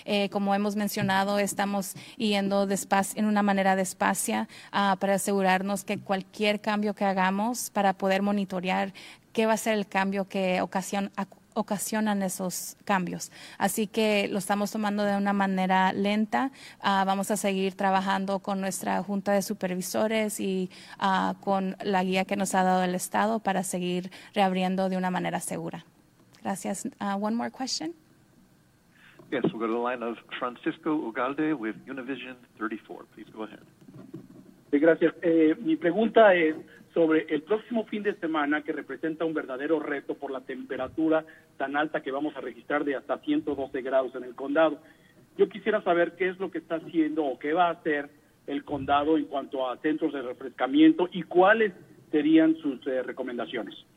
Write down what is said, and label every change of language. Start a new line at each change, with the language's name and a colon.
Spanish: Como hemos mencionado, estamos yendo en una manera despacia para asegurarnos que cualquier cambio que hagamos para poder monitorear qué va a ser el cambio que ocasionan esos cambios. Así que lo estamos tomando de una manera lenta. Vamos a seguir trabajando con nuestra junta de supervisores y con la guía que nos ha dado el Estado para seguir reabriendo de una manera segura.
English: Gracias. One more question. Yes, we'll go to the line of Francisco Ugalde with Univision 34. Please go ahead.
Spanish: Sí, gracias. Mi pregunta es sobre el próximo fin de semana, que representa un verdadero reto por la temperatura tan alta que vamos a registrar de hasta 112 grados en el condado. Yo quisiera saber qué es lo que está haciendo o qué va a hacer el condado en cuanto a centros de refrescamiento y cuáles serían sus recomendaciones.